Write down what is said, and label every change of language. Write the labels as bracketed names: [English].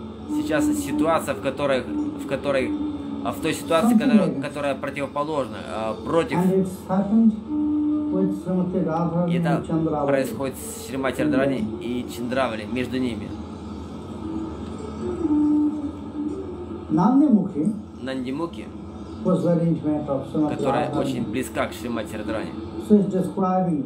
[Russian] Сейчас ситуация, в той ситуации, которая противоположна, против. [English] And it's happened with Srimati Radharani and Chandravali. [Russian] Это происходит с Шримати Радхарани и Чандравали, между ними. Нандимуки. Которая очень близка к Шримати Радхарани.